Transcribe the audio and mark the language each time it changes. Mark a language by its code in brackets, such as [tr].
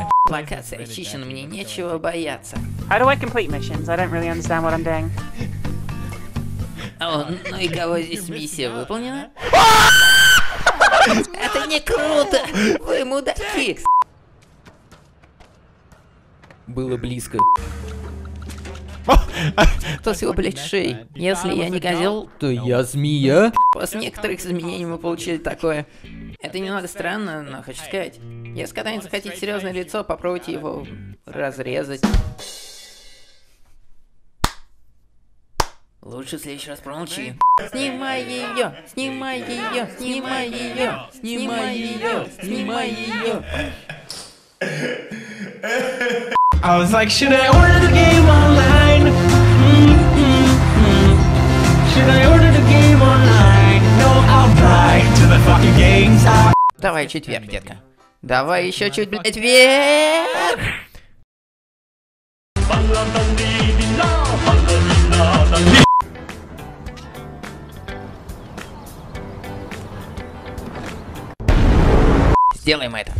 [ru] Локация очищена, мне нечего бояться. [en] How do I complete missions? I don't really understand what I'm doing. [ru] О, ну и кого здесь миссия выполнена? Это не круто! Вы мудаки! Было близко. Кто с его, блядь, шеей? Если я не козел, то я змея. После некоторых изменений мы получили такое. Это немного странно, но хочу сказать. Если когда-нибудь захотите серьезное лицо, попробуйте его разрезать. Лучше в следующий раз промолчи. Снимай ее! Снимай ее! Снимай ее! Снимай ее! Снимай ее! [en] I was like, should I order the game online? Should I order the game online? No, I'll buy to the fucking games. [ru] Давай чуть вверх, детка. Давай еще чуть, блять, вверх. Сделаем это.